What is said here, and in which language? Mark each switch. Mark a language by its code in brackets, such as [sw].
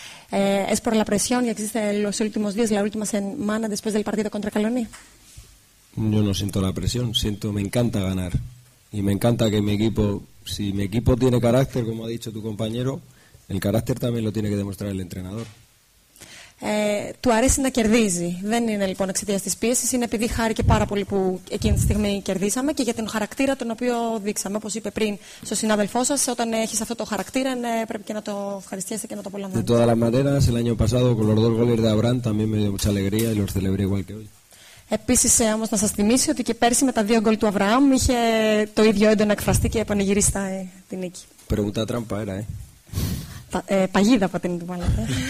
[es] Es por la presión y existe los últimos días, la última semana después del partido contra Caloni. Yo no siento la presión, me encanta ganar. Y me encanta que mi equipo, si mi equipo tiene carácter, como ha dicho tu compañero, el carácter también lo tiene que demostrar el entrenador. [el] Του αρέσει να κερδίζει. Δεν είναι λοιπόν εξαιτίας της πίεσης, είναι επειδή χάρηκε πάρα πολύ που εκείνη τη στιγμή κερδίσαμε και για τον χαρακτήρα τον οποίο δείξαμε. Όπως είπε πριν στον συνάδελφό σας, όταν έχεις αυτό το χαρακτήρα, πρέπει και να το ευχαριστήσεις και να το απολαμβάνεις. [es] De todas las maneras, el año pasado, con los dos goles de Abraham, también me dio mucha alegría y los celebré igual que hoy. [el] Επίσης, όμως, να σας θυμίσω ότι και πέρσι με τα 2 γκολ του Αβραάμ είχε το ίδιο έντονο εκφραστεί και πανηγυρίσει την νίκη. [es] Pregunta trampa, era, [el] Παγίδα, πατήνη του μάλλον.